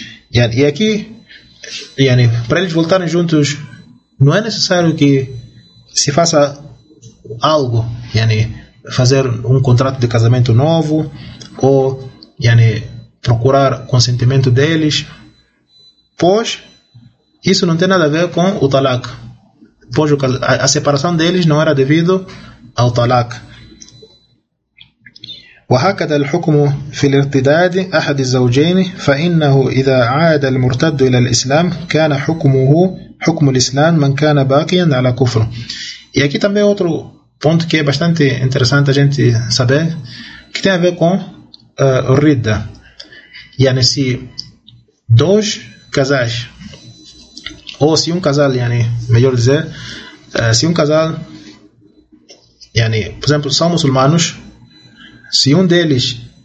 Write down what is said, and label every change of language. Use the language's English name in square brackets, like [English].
[Portuguese] E aqui, para eles voltarem juntos, não é necessário que se faça algo, fazer um contrato de casamento novo, ou procurar consentimento deles, pois isso não tem nada a ver com o talak, pois a separação deles não era devido ao talak. [Arabic] وهكذا الحكم في الارتداد احد الزوجين فانه اذا عاد المرتد الى الاسلام كان حكمه حكم الاسلام من كان باقيا على كفر. [Portuguese] E aqui também outro ponto que é bastante interessante a gente saber, que tem a ver com ridda. Se dois casais, ou se um casal, melhor dizer, se um casal, por exemplo, são muçulmanos, se um deles